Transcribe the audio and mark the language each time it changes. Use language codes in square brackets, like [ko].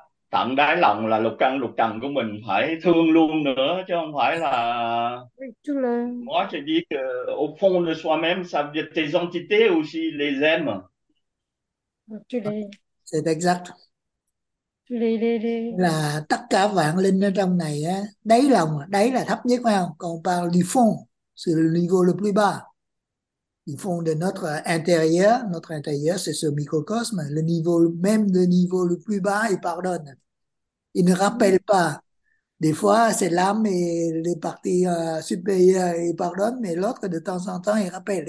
[vi] Tận đáy lòng là lục căn lục trần của mình phải thương luôn nữa chứ không phải là [fr] Le... moi je dis que au fond de soi-même ça veut dire tes entités aussi les aiment. C'est exact. les [vi] Là tất cả vạn linh ở trong này á, đáy lòng đáy là thấp nhất phải không? [fr] Còn par du fond, c'est le niveau le plus bas. Du fond de notre intérieur, c'est ce microcosme, le niveau même le niveau le plus bas, il pardonne. Il ne rappelle pas. Des fois, c'est l'âme et les parties supérieures, il pardonne, mais l'autre, de temps en temps, il rappelle.